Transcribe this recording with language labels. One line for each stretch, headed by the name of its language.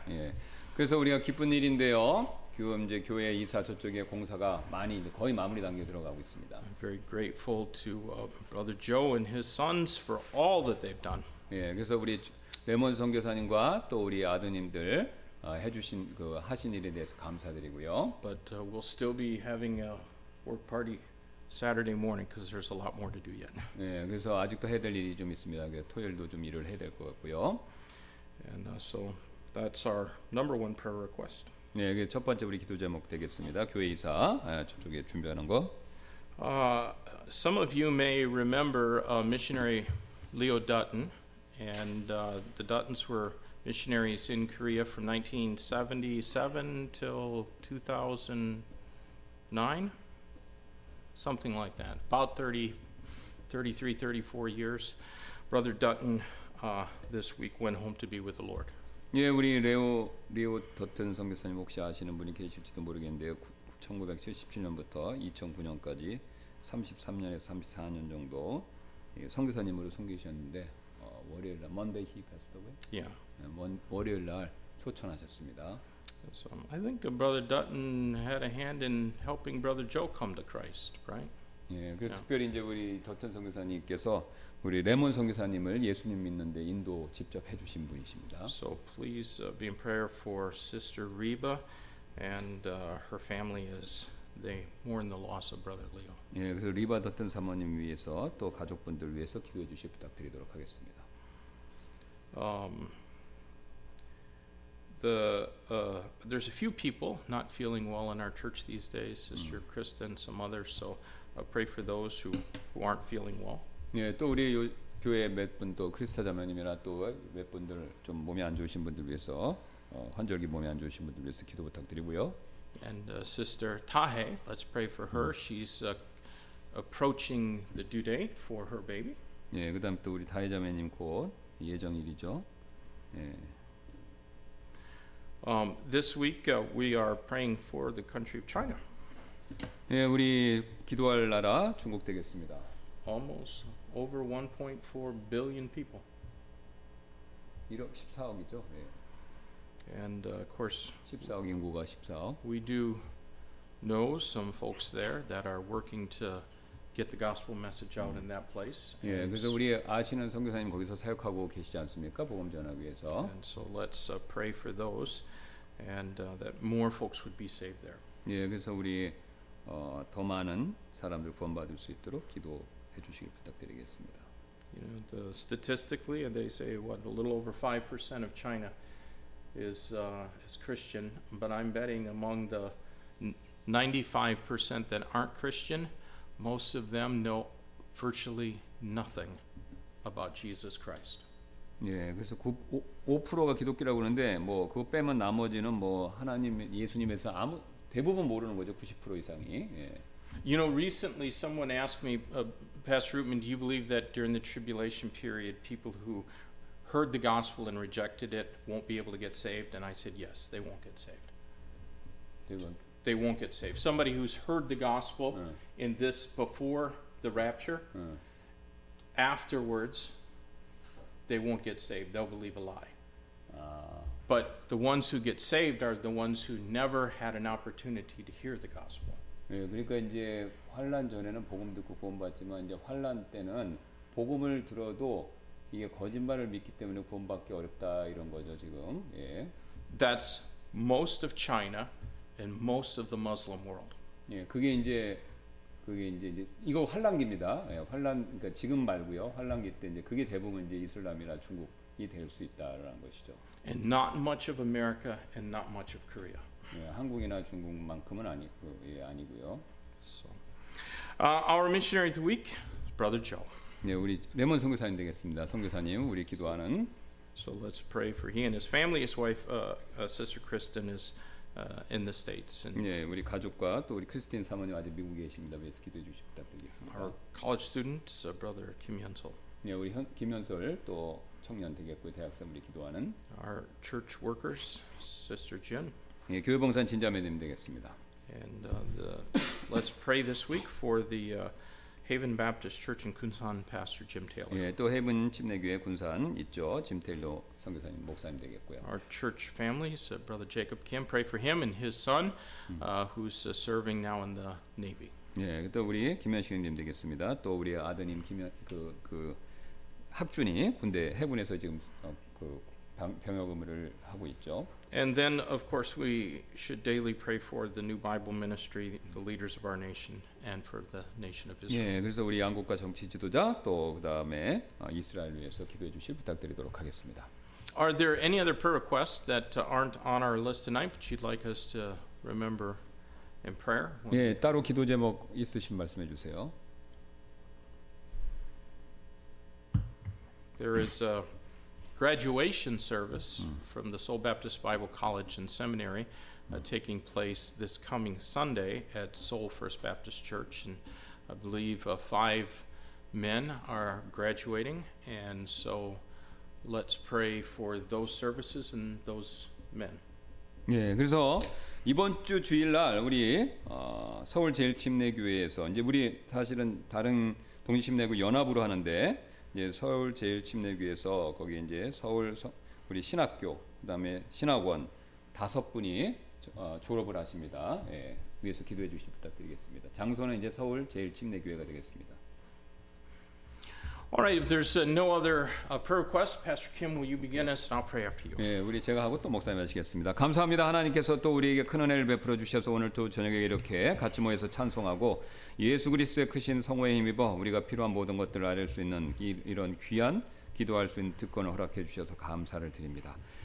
Korean: 예, 그래서 우리가 기쁜 일인데요. 이제 교회 이사 저쪽에 공사가 많이 거의 마무리 단계에 들어가고 있습니다.
English: I'm very grateful to Brother Joe and his sons for all that they've done.
Korean: 예, 그래서 우리 레몬 선교사님과 또 우리 아드님들 해주신 그 하신 일에 대해서 감사드리고요.
English: But we'll still be having a work party Saturday morning because there's a lot more to do yet.
Korean: 예, 그래서 아직도 해야 될 일이 좀 있습니다. 토요일도 좀 일을 해야 될 것 같고요.
English: And so that's our number one prayer request.
Korean: 네, 이게 첫 번째 우리 기도 제목 되겠습니다. 교회 이사 저쪽에 준비하는 거.
English: Some of you may remember missionary Leo Dutton, and the Duttons were missionaries in Korea from 1977 till 2009, something like that. About 34 years. Brother Dutton, this week went home to be with the Lord.
Korean: 예, 우리 리오 더튼 선교사님 혹시 아시는 분이 계실지도 모르겠는데요. 1977년부터 2009년까지 33년에서 34년 정도 선교사님으로 섬기셨는데 월요일 날
English: Monday he passed away. Yeah.
Korean: 월요일 날 소천하셨습니다.
English: So I think Brother Dutton had a hand in helping Brother Joe come to Christ, right?
Korean: 예, 그래서 yeah. 특별히 이제 우리 더튼 선교사님께서 우리 레몬 선교사님을 예수님 믿는데 인도 직접 해주신 분이십니다.
English: So please be in prayer for Sister Reba and her family as they mourn the loss of Brother Leo.
Korean: 예, 그래서 리바 더튼 사모님 위해서 또 가족분들 위해서 기도해 주시기 부탁드리도록 하겠습니다.
English: There's a few people not feeling well in our church these days, Sister Krista and some others. So I pray for those who aren't feeling well.
Korean: 예, 또 우리 교회 몇 분 또 크리스타 자매님이나 또 몇 분들 좀 몸이 안 좋으신 분들 위해서 환절기 몸이 안 좋으신 분들 위해서 기도 부탁드리고요.
English: And Sister Tahe, let's pray for her. She's approaching the due date for her baby.
Korean: 예, 그다음 또 우리 타해 자매님 곧 예정일이죠. 예.
English: This week we are praying for the country of China.
Korean: 예, 우리 기도할 나라 중국 되겠습니다.
English: Almost over 1.4 billion people.
Korean: 1억 14억이죠. 예.
English: And of course,
Korean: 14억 인구가 14억.
English: We do know some folks there that are working to get the gospel message out in that place.
Korean: 예, 그래서 우리 아시는 선교사님 거기서 사역하고 계시지 않습니까? 복음 전하기 위해서.
English: And so let's pray for those, and that more folks would be saved there.
Korean: 예, 그래서 우리 더 많은 사람들 구원받을 수 있도록 기도. 해주시기 부탁드리겠습니다.
English: You know, the statistically, they say what a little over 5% of China is Christian, but I'm betting among the 95% that aren't Christian, most of them know virtually nothing about Jesus Christ.
Korean: 예, 그래서 5%가 기독교라고 하는데 뭐 그거 빼면 나머지는 뭐 하나님, 예수님에서 아무 대부분 모르는 거죠, 90% 이상이. 예.
English: You know, recently someone asked me, Pastor Oetman, do you believe that during the tribulation period, people who heard the gospel and rejected it won't be able to get saved? And I said, yes, they won't get saved. They won't get saved. Somebody who's heard the gospel in this before the rapture, afterwards, they won't get saved. They'll believe a lie. But the ones who get saved are the ones who never had an opportunity to hear the gospel.
Korean: 예, 그러니까 이제 환난 전에는 복음 듣고 구원 받지만 이제 환난 때는 복음을 들어도 이게 거짓말을 믿기 때문에 구원받기 어렵다 이런 거죠 지금. 예.
English: That's most of China and most of the Muslim world.
Korean: 예, 그게 이제 이거 환란기입니다. 예, 환란 그러니까 지금 말고요. 환란기 때 이제 그게 대부분 이제 이슬람이나 중국이 될 수 있다라는 것이죠.
English: And not much of America and not much of Korea.
Korean: 예, 한국이나 중국만큼은 아니고 예, 아니고요.
English: So, our missionary of the week, Brother Joe.
Korean: 네, 우리 레몬 선교사님 되겠습니다. 선교사님, 우리 기도하는.
English: So let's pray for he and his family. His wife, Sister Kristen, is in the States.
Korean: 네, 우리 가족과 또 우리 크리스틴 사모님 아직 미국에 계십니다. 그래서 기도해 주시기 부탁드리겠습니다.
English: Our college students, Brother Kim Hyun-sol.
Korean: 네, 우리 김현설 또 청년 되겠고 대학생 우리 기도하는.
English: Our church workers, Sister Jin.
Korean: 네, 교회 봉사한 진자매님 되겠습니다.
English: And let's pray this week for the. Haven Baptist Church in Kunsan, Pastor Jim Taylor.
Korean: 예, 또 해븐 침례교회 군산 있죠. 짐 테일러 선교사님 목사님 되겠고요.
English: Our church family, Brother Jacob Kim, pray for him and his son, who's serving now in the Navy.
Korean: 예, 또 우리 김현식님 되겠습니다. 또 우리 아드님 그 학준이 군대 해군에서 지금 그 병역 의무를 하고 있죠.
English: And then, of course, we should daily pray for the new Bible ministry, the leaders of our nation, and for the nation of Israel.
Korean: 예, 그래서 우리 양국가 정치 지도자 또 그다음에 이스라엘 위해서 기도해 주실 부탁드리도록 하겠습니다.
English: Are there any other prayer requests that aren't on our list tonight, but you'd like us to remember in prayer?
Korean: 예, 따로 기도 제목 있으신 말씀해 주세요.
English: There is a graduation service from the Seoul Baptist Bible College and Seminary taking place this coming Sunday at Seoul First Baptist Church. And I believe five men are graduating. And so let's pray for those services and those men.
Korean: 예, 그래서 이번 주 주일날 우리 서울 제일침례교회에서 이제 우리 사실은 다른 동지침례교 연합으로 하는데 예, 서울 제일 침례교회에서 거기 이제 서울 우리 신학교 그다음에 신학원 다섯 분이 졸업을 하십니다. 예, 위에서 기도해 주시기 부탁드리겠습니다. 장소는 이제 서울 제일 침례교회가 되겠습니다.
English: All right, if there's no other prayer request, Pastor Kim, will you begin us and I'll pray after you.
Korean: 예, 우리 제가 하고 또 목사님 하시겠습니다. 감사합니다. 하나님께서 또 우리에게 큰 은혜를 베풀어 주셔서 오늘 또 저녁에 이렇게 같이 모여서 찬송하고 예수 그리스도의 크신 성호에 힘입어 우리가 필요한 모든 것들을 알릴 수 있는 이런 귀한 기도할 수 있는 특권을 허락해 주셔서 감사를 드립니다.